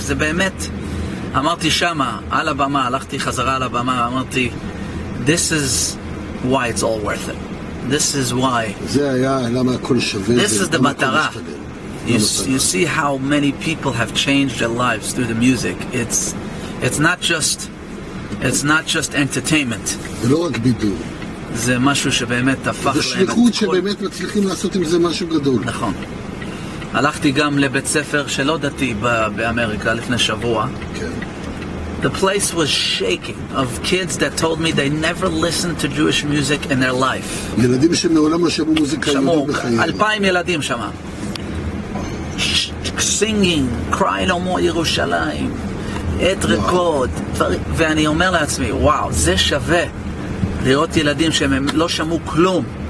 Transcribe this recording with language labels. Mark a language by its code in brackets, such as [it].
[he] זה באמת, אמרתי שמה על הבמה, הלכתי חזרה על הבמה, אמרתי, [en] this is why it's all worth it. This is why. This is the matara. You see how many people have changed their lives through the music. It's not just entertainment. [he] זה לא רק בידור. זה משהו שבאמת הפך להם. זה שליחות שבאמת מצליחים לעשות עם זה משהו גדול. נכון. הלכתי גם לבית ספר שלא דתי באמריקה לפני שבוע. כן. [en] The place was shaking of kids that told me they never listened to Jewish music in their life. [he] ילדים שמעולם לא שמעו מוזיקה יהודית בחיים. 2000 ילדים שם. [en] Singing, cry no more Yerushalayim. [he] את רקוד. ואני אומר לעצמי, וואו, זה שווה לראות ילדים שהם לא שמעו כלום.